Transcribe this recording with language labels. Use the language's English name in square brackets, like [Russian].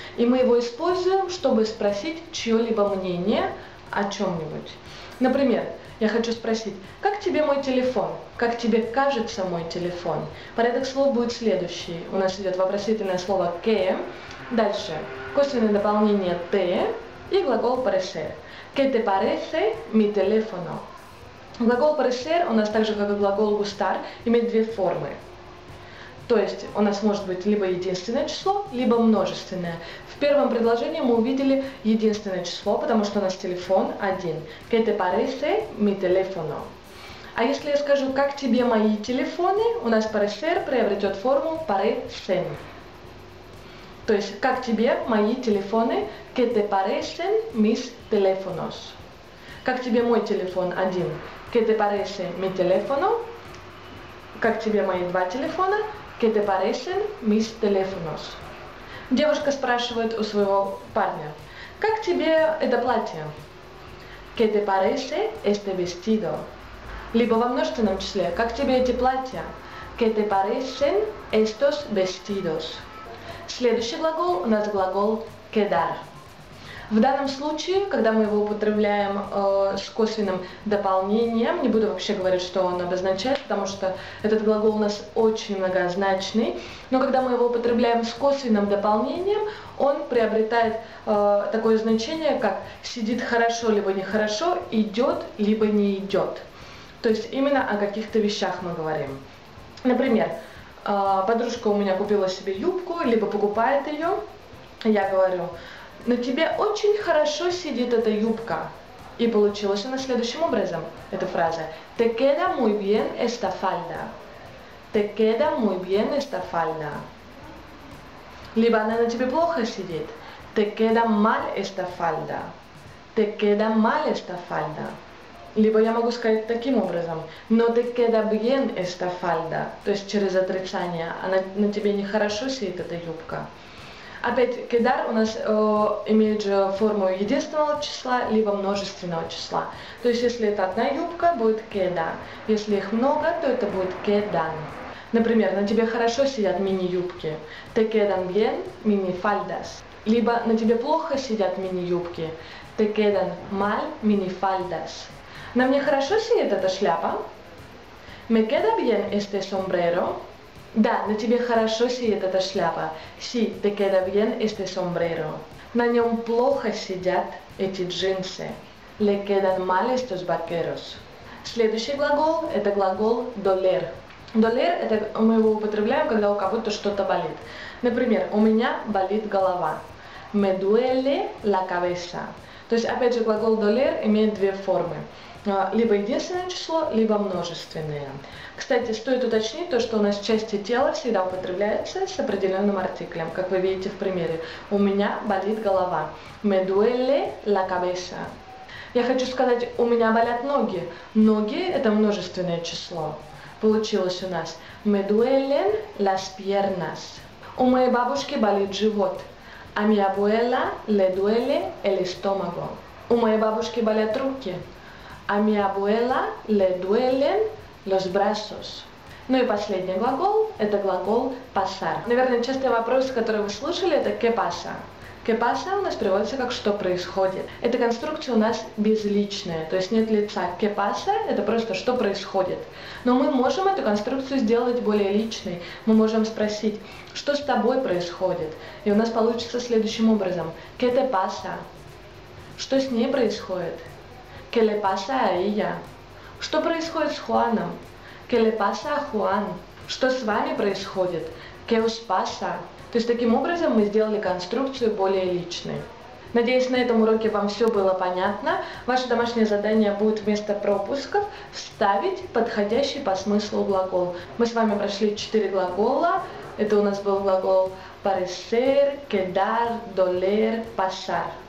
[Russian] И мы его используем, чтобы спросить чье-либо мнение о чем-нибудь. Например, я хочу спросить, как тебе мой телефон? Как тебе кажется мой телефон? Порядок слов будет следующий. У нас идет вопросительное слово «que». Дальше. Косвенное дополнение «te» и глагол «parecer». [Spanish] «Que te parece mi teléfono?» [Russian] Глагол «parecer» у нас также, как и глагол «gustar», имеет две формы. То есть у нас может быть либо единственное число, либо множественное. В первом предложении мы увидели единственное число, потому что у нас телефон один. [Spanish] «Que te parece mi teléfono?» [Russian] А если я скажу «Как тебе мои телефоны?», у нас «parecer» приобретет форму «parecen». То есть «Как тебе мои телефоны?» [Spanish] «Que te parecen mis teléfonos?» [Russian] «Как тебе мой телефон один?» [Spanish] «Que te parece mi teléfono?» [Russian] «Как тебе мои два телефона?» [Spanish] «Que te parecen mis teléfonos?» [Russian] Девушка спрашивает у своего парня, «Как тебе это платье?» [Spanish] «Que te parece este vestido?» [Russian] Либо во множественном числе, «Как тебе эти платья?» [Spanish] «Que te parecen estos vestidos?» [Russian] Следующий глагол у нас глагол «quedar». В данном случае, когда мы его употребляем с косвенным дополнением, не буду вообще говорить, что он обозначает, потому что этот глагол у нас очень многозначный, но когда мы его употребляем с косвенным дополнением, он приобретает такое значение, как сидит хорошо, либо нехорошо, идет, либо не идет. То есть именно о каких-то вещах мы говорим. Например, подружка у меня купила себе юбку, либо покупает ее, я говорю, «На тебе очень хорошо сидит эта юбка». И получилось она следующим образом, эта фраза. [Spanish] «Te queda muy bien esta falda». «Te queda muy bien esta falda». [Russian] Либо «Она на тебе плохо сидит». [Spanish] «Te queda mal esta falda». «Te queda mal esta falda». [Russian] Либо я могу сказать таким образом. [Spanish] «No te queda bien esta falda». [Russian] То есть через отрицание. «Она на тебе нехорошо сидит эта юбка». Опять, «quedar» у нас имеет же форму единственного числа, либо множественного числа. То есть, если это одна юбка, будет «queda». Если их много, то это будет «quedan». Например, «На тебе хорошо сидят мини-юбки». [Spanish] «Te quedan bien mini-faldas». [Russian] Либо «На тебе плохо сидят мини-юбки». [Spanish] «Te quedan mal mini-faldas». [Russian] «На мне хорошо сидит эта шляпа». [Spanish] «Me queda bien este sombrero». [Russian] Да, на тебе хорошо сидит эта шляпа. [Spanish] Sí, te queda bien este sombrero. [Russian] На нем плохо сидят эти джинсы. [Spanish] Le quedan mal estos vaqueros. [Russian] Следующий глагол – это глагол doler. Doler – это мы его употребляем, когда у кого-то что-то болит. Например, у меня болит голова. [Spanish] Me duele la cabeza. [Russian] То есть, опять же, глагол doler имеет две формы. Либо единственное число, либо множественное. Кстати, стоит уточнить то, что у нас части тела всегда употребляются с определенным артиклем. Как вы видите в примере. У меня болит голова. [Spanish] Me duele la cabeza. [Russian] Я хочу сказать, у меня болят ноги. Ноги – это множественное число. Получилось у нас. [Spanish] Me duelen las piernas. [Russian] У моей бабушки болит живот. A mi abuela le duele el estómago. У моей бабушки болят руки. A mi abuela le duelen los brazos. Ну и последний глагол, это глагол pasar. Наверное, частый вопрос, который вы слышали, это [Spanish] ¿qué pasa? ¿Qué pasa? [Russian] У нас переводится как «что происходит». Эта конструкция у нас безличная, то есть нет лица. [Spanish] ¿Qué pasa? [Russian] Это просто «что происходит». Но мы можем эту конструкцию сделать более личной. Мы можем спросить «что с тобой происходит?» И у нас получится следующим образом. [Spanish] ¿Qué te pasa? [Russian] Что с ней происходит? [Spanish] ¿Qué le pasa a ella? [Russian] Что происходит с Хуаном? [Spanish] ¿Qué le pasa a Juan? [Russian] что с вами происходит? [Spanish] ¿Qué os pasa? [Russian] То есть таким образом мы сделали конструкцию более личной. Надеюсь, на этом уроке вам все было понятно. Ваше домашнее задание будет вместо пропусков вставить подходящий по смыслу глагол. Мы с вами прошли 4 глагола. Это у нас был глагол parecer, quedar, doler, pasar.